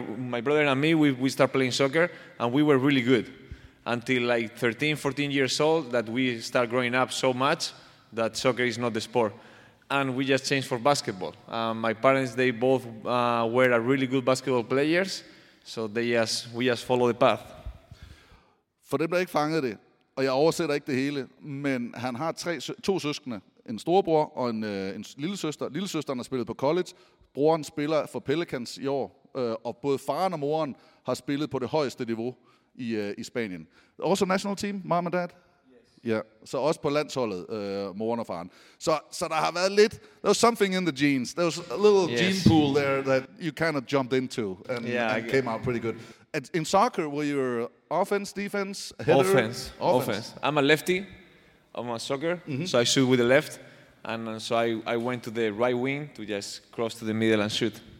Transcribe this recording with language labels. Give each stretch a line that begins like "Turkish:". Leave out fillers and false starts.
English: My brother and me start playing soccer, and we were really good until like 13, 14 years old, that we start growing up so much that soccer is not the sport. And we just changed for basketball. My parents, they both were a really good basketball players, so we just follow the path.
Danish: For det blev ikke fanget det, og jeg oversætter ikke det hele, men han har to søskende, en storebror og en lille søster. Lille søsteren har spillet på college, broren spiller for Pelicans i år, og både faren og moren har spillet på det højeste niveau i Spanien.
English: Også national team, mom and dad.
Danish: Ja, så også på landsholdet, moren og faren. Så der har været lidt,
English: there was something in the genes. There was a little gene pool there that you kind of jumped into and came out pretty good. And in soccer, were you offense, defense, header? Offense. I'm a lefty. I'm a soccer, so I shoot with the left. And so I went to the right wing to just cross to the middle and shoot.